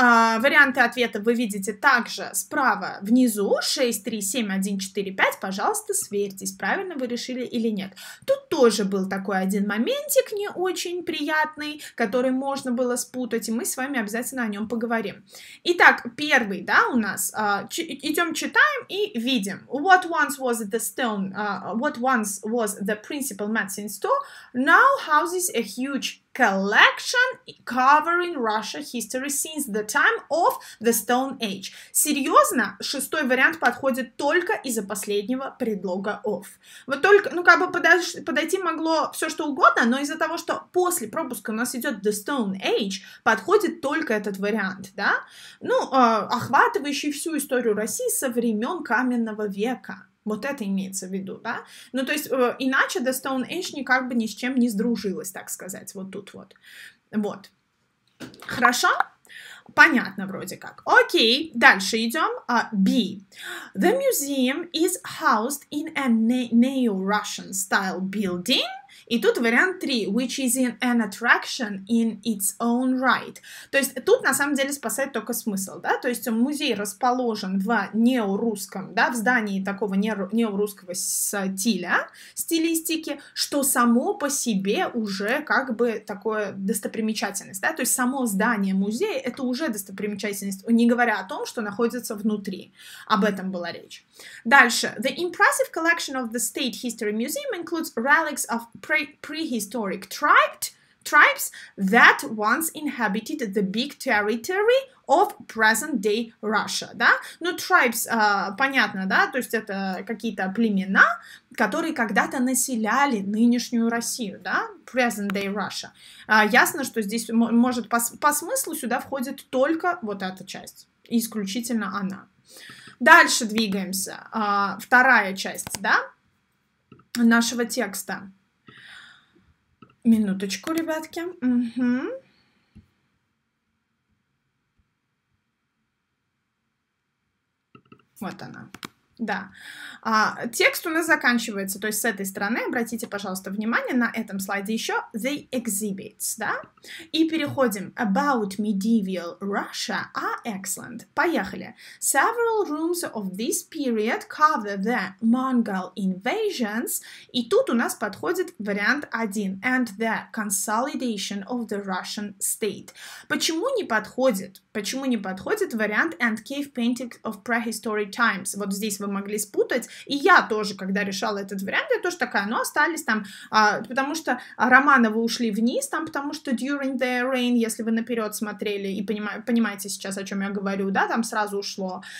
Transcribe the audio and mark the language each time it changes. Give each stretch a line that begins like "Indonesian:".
Russian: Варианты ответа вы видите также справа внизу, 6, 3, 7, 1, 4, 5. Пожалуйста, сверьтесь, правильно вы решили или нет. Тут тоже был такой один моментик не очень приятный, который можно было спутать, и мы с вами обязательно о нем поговорим. Итак, первый, да, у нас, идем читаем и видим.
English: What once was the stone, what once was the principal medicine store, now houses a huge collection covering Russia history since the time of the Stone Age.
Russian: Серьезно, шестой вариант подходит только из-за последнего предлога of. Вот только, ну как бы подойти могло все что угодно, но из-за того, что после пропуска у нас идет the Stone Age, подходит только этот вариант, да? Ну, охватывающий всю историю России со времен каменного века. Вот это имеется в виду, да? Ну, то есть, иначе The Stone Age никак бы ни с чем не сдружилась, так сказать, вот тут вот. Вот. Хорошо? Понятно вроде как. Окей, дальше идем. B.
English: The museum is housed in a neo-Russian-style building.
Russian: И тут вариант 3,
English: which is an attraction in its own right.
Russian: То есть тут на самом деле спасает только смысл, да? То есть музей расположен в неорусском, да, в здании такого неорусского стиля, стилистики, что само по себе уже как бы такое достопримечательность, да? То есть само здание музея — это уже достопримечательность, не говоря о том, что находится внутри. Об этом была речь. Дальше.
English: The impressive collection of the State History Museum includes relics of prehistoric tribes that once inhabited the big territory of present-day Russia,
Russian: да? Ну, tribes, понятно, да? То есть это какие-то племена, которые когда-то населяли нынешнюю Россию, да?
English: Present-day Russia.
Russian: Ясно, что здесь, может, по смыслу сюда входит только вот эта часть, исключительно она. Дальше двигаемся. Вторая часть, да, нашего текста. Минуточку, ребятки. Угу. Вот она. Да. Текст у нас заканчивается, то есть с этой стороны. Обратите, пожалуйста, внимание на этом слайде еще.
English: The exhibits,
Russian: да? И переходим.
English: About medieval Russia are excellent.
Russian: Поехали.
English: Several rooms of this period cover the Mongol invasions.
Russian: И тут у нас подходит вариант один.
English: And the consolidation of the Russian state.
Russian: Почему не подходит? Почему не подходит вариант
English: and cave paintings of prehistoric times?
Russian: Вот здесь вы могли спутать. И я тоже, когда решала этот вариант, я тоже такая, ну, остались там, потому что Романовы ушли вниз там, потому что
English: during the rain,
Russian: если вы наперед смотрели и понимаете сейчас, о чем я говорю, да, там сразу ушло.